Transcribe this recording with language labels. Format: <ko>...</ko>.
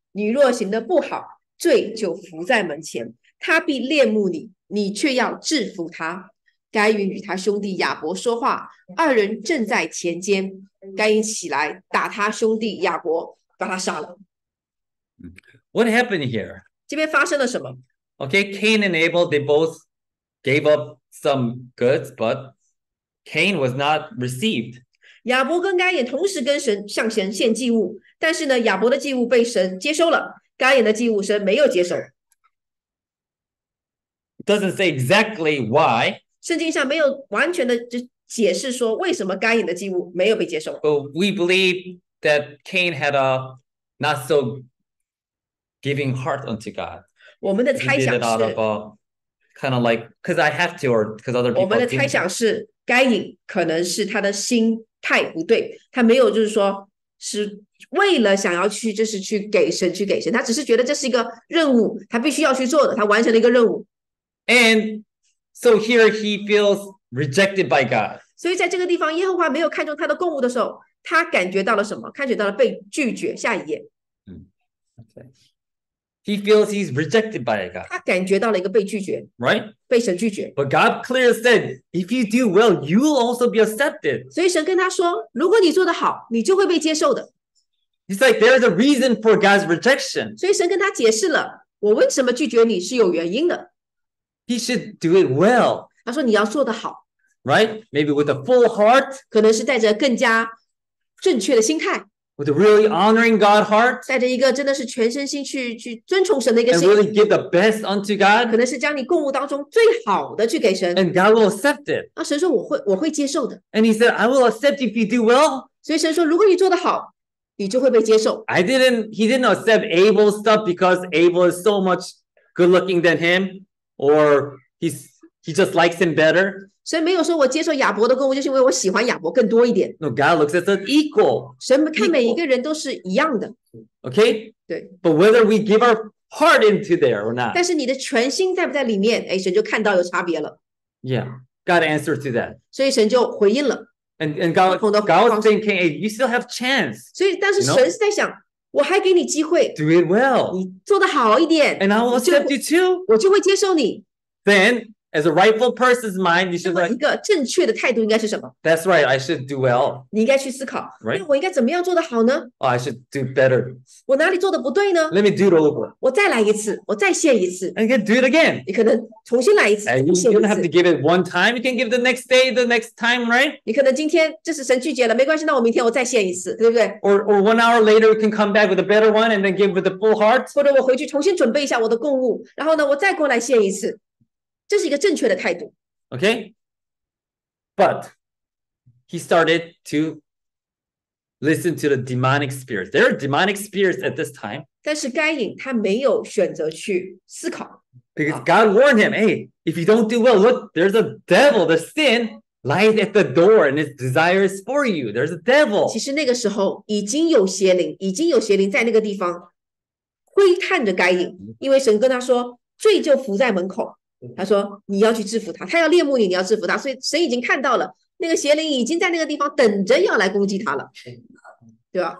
<zh>你若行得不好，罪就伏在门前，他必恋慕你。” 你却要制服他。该隐与他兄弟亚伯说话，二人正在前间，该隐起来打他兄弟亚伯，把他杀了。</zh> <en>What happened here?</en> <zh>这边发生了什么？</zh> <en>Okay, Cain and Abel, they both gave up some goods, but Cain was not received.</en> <zh>亚伯跟该隐同时跟神向神献祭物，但是呢，亚伯的祭物被神接收了，该隐的祭物神没有接收。</zh> <en>Doesn't say exactly why.</en> <zh>圣经上没有完全的解释说为什么该隐的祭物没有被接受。</zh> <en>But we believe that Cain had a not so giving heart unto God.</en> <zh>我们的猜想是</zh> <en>kind of like because I have to or because other people.</en> <zh>我们的猜想是该隐可能是他的心态不对，他没有就是说是为了想要去就是去给神去给神，他只是觉得这是一个任务，他必须要去做的，他完成了一个任务。</zh> <en>And so here he feels rejected by God.</en> <zh>所以在这个地方，耶和华没有看中他的供物的时候，他感觉到了什么？感觉到了被拒绝。下一页。</zh> <en>He feels he's rejected by God.</en> <zh>他感觉到了一个被拒绝。</zh> <en>Right?</en> <zh>被神拒绝。</zh> <en>But God clearly said, if you do well, you will also be accepted.</en> <zh>所以神跟他说，如果你做得好，你就会被接受的。</zh> <en>He's like, there's a reason for God's rejection.</en> <zh>所以神跟他解释了，我为什么拒绝你是有原因的。</zh> <en>He should do it well.</en> <zh>他说你要做得好。</zh> <en>Right? Maybe with a full heart.</en> <zh>可能是带着更加正确的心态。</zh> <en>With a really honoring God heart.</en> <zh>带着一个真的是全身心去尊崇神的一个心。</zh> <en>And really give the best unto God.</en> <zh>可能是将你供物当中最好的去给神。</zh> <en>And God will accept it.</en> <zh>那神说我会接受的。</zh> <en>And he said, I will accept if you do well.</en> <zh>所以神说如果你做得好，你就会被接受。</zh> <en>He didn't accept Abel's stuff because Abel is so much good looking than him. Or he just likes him better.</en> <zh>神没有说我接受亚伯的供物，就是因为我喜欢亚伯更多一点。</zh> <en>No, God looks at us equal.</en> <zh>神看每一个人都是一样的。</zh> <en>Okay.</en> <zh>对。 But whether we give our heart into there or not. 但是你的全心在不在里面？哎，神就看到有差别了。</zh> <en>Yeah, God answered to that.</en> <zh>所以神就回应了。</zh> <en>And God was thinking, hey, you still have chance.</en> <zh>所以，但是神是在想。</zh> <en>You know?</en> <zh>我还给你机会</zh> <en>，Do it well，</en> <zh>你做得好一点</zh> <en>，And I will accept you too，</en> <zh>我就会接受你。</zh> <en>Then, as a rightful person's mind, you should like</en> <zh>一个正确的态度应该是什么</zh> <en>？That's right, I should do well。</en> <zh>你应该去思考，对、right? ，我应该怎么样做得好呢、</zh> <en>oh, ？I should do better。</en> <zh>我哪里做的不对呢</zh> <en>？Let me do it all over。</en> <zh>我再来一次，我再献一次。</zh> <en>And you can do it again。</en> <zh>你可能重新来一次</zh> <en>，And you don't have to give it one time. You can give it the next day, the next time, right？</en> <zh>你可能今天这是神拒绝了，没关系，那我明天我再献一次，对不对</zh> <en>？Or one hour later, you can come back with a better one and then give it the full heart。</en> <zh>或者我回去重新准备一下我的供物，然后呢，我再过来献一次。这是一个正确的态度。</zh> <en>Okay, but he started to listen to the demonic spirits. There are demonic spirits at this time.</en> <zh>但是该隐他没有选择去思考。</zh> <en>Because God warned him, "Hey, if you don't do well, look, there's a devil, the sin lies at the door, and his desire is for you. There's a devil."</en> <zh>其实那个时候已经有邪灵，已经有邪灵在那个地方窥探着该隐，因为神跟他说，罪就伏在门口。他说你要去制服他，他要恋慕你，你要制服他，所以神已经看到了那个邪灵已经在那个地方等着要来攻击他了，对吧？</zh>